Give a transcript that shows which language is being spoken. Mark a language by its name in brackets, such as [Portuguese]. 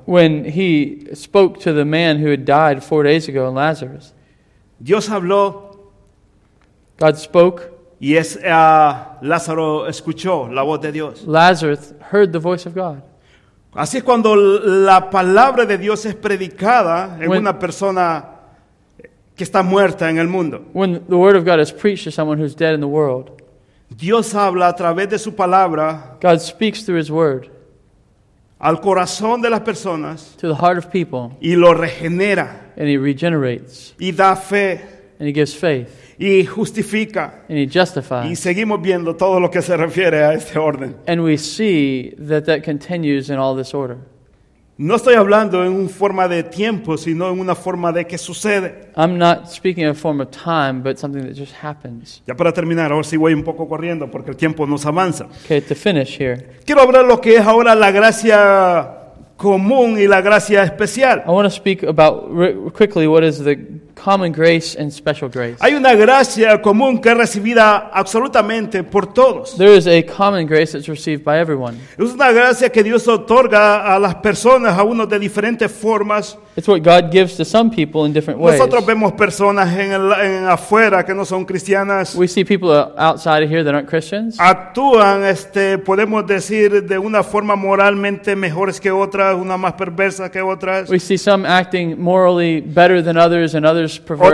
[English] When he spoke to the man who had died 4 days ago, Lazarus. [Spanish] Dios habló. [English] God spoke. [Spanish] Y es Lázaro escuchó la voz de Dios. [English] Lazarus heard the voice of God. [Spanish] Así es cuando la palabra de Dios es predicada en una persona que está muerta en el mundo. [English] When the word of God is preached to someone who's dead in the world. [Spanish] Dios habla a través de su palabra. [English] God speaks through his word. [Spanish] Al corazón de las personas. [English] To the heart of people. [Spanish] Y lo regenera. [English] And he regenerates. [Spanish] Y da fe. [English] And he gives faith. [Spanish] Y justifica. [English] And he justifies. [Spanish] Y seguimos viendo todo lo que se refiere a este orden. [English] And we see that that continues in all this order. [Spanish] No estoy hablando en una forma de tiempo, sino en una forma de que sucede. [English] I'm not speaking in a form of time, but something that just happens. [Spanish] Ya para terminar, ahora sí voy un poco corriendo porque el tiempo nos avanza. [English] Okay, to finish here. [Spanish] Quiero hablar lo que es ahora la gracia común y la gracia especial. [English] I want to speak about quickly what is the common grace and special grace. [Spanish] Hay una gracia común que es recibida absolutamente por todos. [English] There is a common grace that's received by everyone. [Spanish] Es una gracia que Dios otorga a las personas, a unos de diferentes formas. [English] It's what God gives to some people in different ways. [Spanish] Nosotros vemos personas en afuera que no son cristianas. [English] We see people outside of here that aren't Christians. [Spanish] Actúan, podemos decir, de una forma moralmente mejores que otras, una más perversa que otras. [English] We see some acting morally better than others and others perverse.